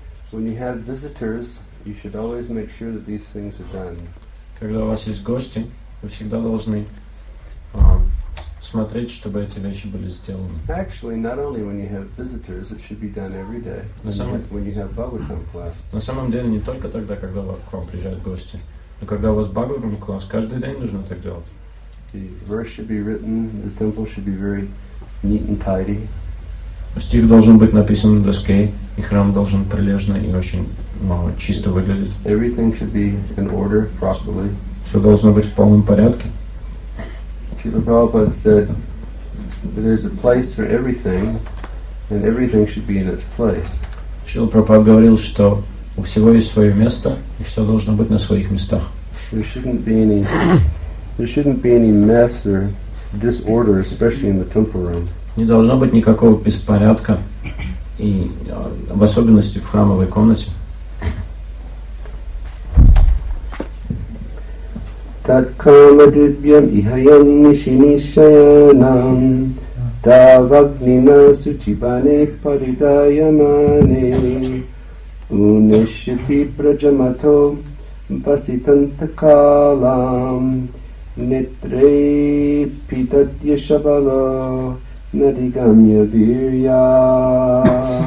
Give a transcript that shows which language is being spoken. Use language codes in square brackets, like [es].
[en] When you have visitors, you should always make sure that these things are done. [ru] Когда у вас есть гости, вы всегда должны смотреть, чтобы эти вещи были сделаны. [en] Actually, not only when you have visitors, it should be done every day. When you have Bhagavatam class. [ru] На самом деле не только тогда, когда к вам приезжают гости, но когда у вас Бхагаватам класс, каждый день нужно так делать. [en] The verse should be written. The temple should be very neat and tidy. [ru] Стих должен быть написан на доске, и храм должен прилежно и очень чисто выглядеть. [en] Everything should be in order properly. [ru] Все должно быть в полном порядке. [en] Srila Prabhupada said that there's a place for everything, and everything should be in its place. [ru] Srila Prabhupada говорил, что у всего есть свое место, и все должно быть на своих местах. [en] There shouldn't be any mess or disorder, especially in the temple room. [ru] Не должно быть никакого беспорядка и в особенности в храмовой комнате. [sa] Тат карма дивьям ихаян ниши нишаянам давагнина сучибане паридаямане унешити праджамато васитантакалам нетре питатья шабало Надигамья вирья.